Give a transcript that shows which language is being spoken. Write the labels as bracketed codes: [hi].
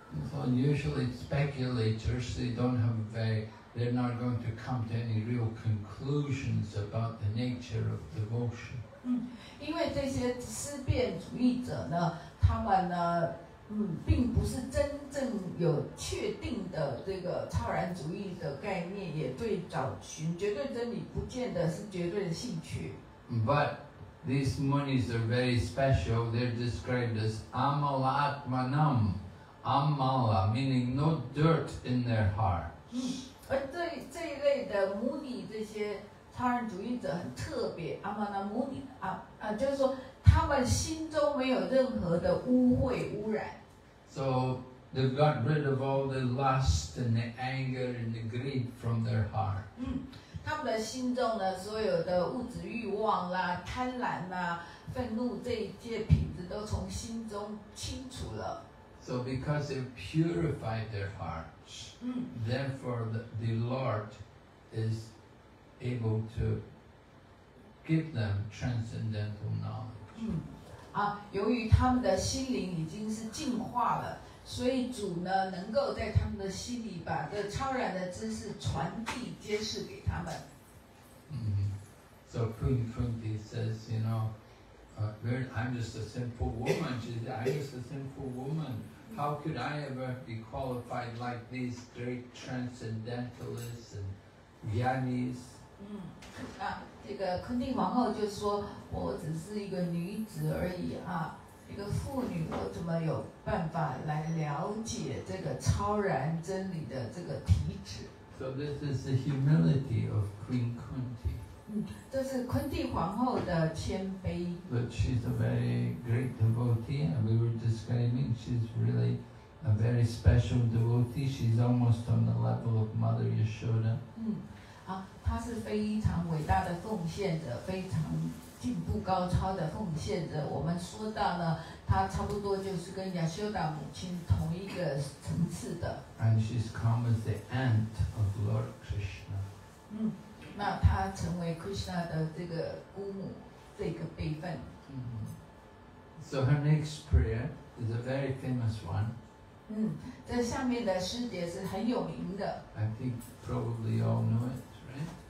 [en] So usually speculators, they don't have they're not going to come to any real conclusions about the nature of devotion. [zh] 因为这些思辨主义者呢，他们呢，并不是真正有确定的这个超然主义的概念，也对找寻绝对真理不见得是绝对的兴趣。 [en] But these munis are very special. They're described as amalatmanam, amala, meaning no dirt in their heart. [zh] 而这一类的母女，这些超然主义者很特别。阿玛那母女就是说他们心中没有任何的污秽污染。 [en] So they've got rid of all the lust and the anger and the greed from their heart. [zh] 他们的心中呢，所有的物质欲望啦、贪婪啦、愤怒这些品质都从心中清除了。 [en] So because they've purified their heart. Therefore, the Lord is able to give them transcendental knowledge. [zh] 由于他们的心灵已经是净化了，所以主呢能够在他们的心里把这超然的知识传递揭示给他们。 [en] So Queen Kunti says, you know, I'm just a simple woman. She said, I'm just a simple woman. How could I ever be qualified like these great transcendentalists and yanis? [zh] 这个昆蒂皇后就说，我只是一个女子而已啊，一个妇女，我怎么有办法来了解这个超然真理的这个体旨？ [en] So this is the humility of Queen Kunti. [zh] 这是昆蒂皇后的谦卑。 [en] But she's a very great devotee, and we were describing she's really a very special devotee. She's almost on the level of Mother Yashoda. [zh] 她是非常伟大的奉献者，非常进步高超的奉献者。我们说到呢，她差不多就是跟 Yashoda 母亲同一个层次的。 [en] And she's come as the aunt of Lord Krishna. [zh] 那她成为 Krishna 的这个姑母。这个辈分。 [en] So her next prayer is a very famous one. [zh] 这下面的诗节是很有名的。 [en] I think probably all know it, right?